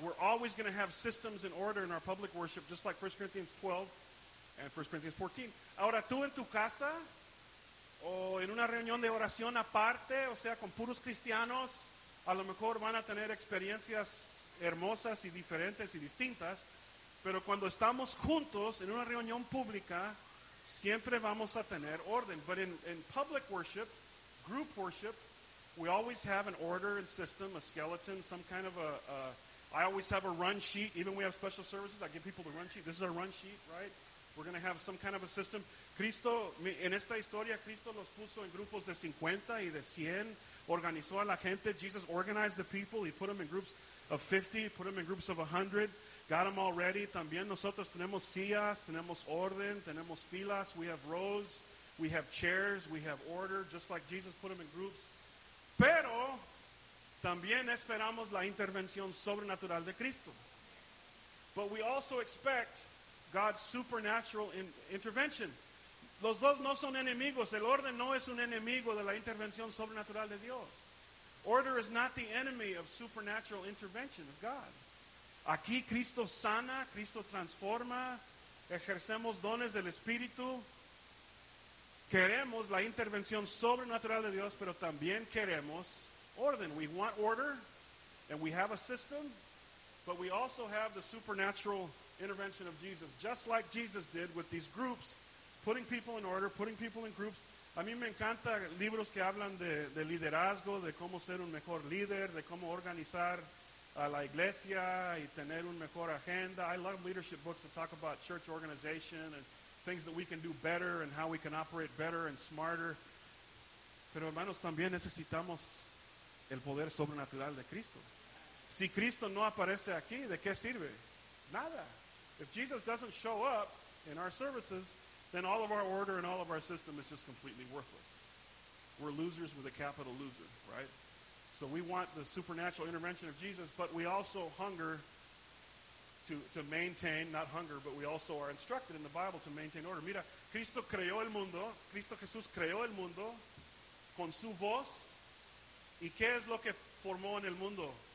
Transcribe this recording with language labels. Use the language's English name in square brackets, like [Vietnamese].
[English] We're always going to have systems in order in our public worship, just like 1 Corinthians 12 and 1 Corinthians 14. [Spanish] Ahora tú en tu casa, o en una reunión de oración aparte, o sea, con puros cristianos, a lo mejor van a tener experiencias hermosas y diferentes y distintas, pero cuando estamos juntos en una reunión pública, siempre vamos a tener orden. [English] But in public worship, group worship, we always have an order and system, a skeleton, some kind of a I always have a run sheet. Even we have special services, I give people the run sheet. This is a run sheet, right? We're going to have some kind of a system. [Spanish] Cristo, en esta historia, Cristo los puso en grupos de 50 y de 100. Organizó a la gente. [English] Jesus organized the people. He put them in groups of 50, put them in groups of 100, got them all ready. [Spanish] También nosotros tenemos sillas, tenemos orden, tenemos filas. [English] We have rows, we have chairs, we have order, just like Jesus put them in groups. [Spanish] Pero también esperamos la intervención sobrenatural de Cristo. [English] But we also expect God's supernatural intervention. [Spanish] Los dos no son enemigos. El orden no es un enemigo de la intervención sobrenatural de Dios. [English] Order is not the enemy of supernatural intervention of God. [Spanish] Aquí Cristo sana, Cristo transforma, ejercemos dones del Espíritu. Queremos la intervención sobrenatural de Dios, pero también queremos orden. [English] We want order, and we have a system, but we also have the supernatural intervention of Jesus, just like Jesus did with these groups, putting people in order, putting people in groups. [Spanish] A mí me encanta libros que hablan de liderazgo, de cómo ser un mejor líder, de cómo organizar a la iglesia y tener un mejor agenda. [English] I love leadership books that talk about church organization and things that we can do better and how we can operate better and smarter. [Spanish] Pero hermanos, también necesitamos el poder sobrenatural de Cristo. Si Cristo no aparece aquí, ¿de qué sirve? Nada. [English] If Jesus doesn't show up in our services, then all of our order and all of our system is just completely worthless. We're losers with a capital loser, right? So we want the supernatural intervention of Jesus, but we also hunger to maintain, not hunger, but we also are instructed in the Bible to maintain order. [Spanish] Mira, Cristo creó el mundo. Cristo Jesús creó el mundo con su voz. ¿Y qué es lo que formó en el mundo?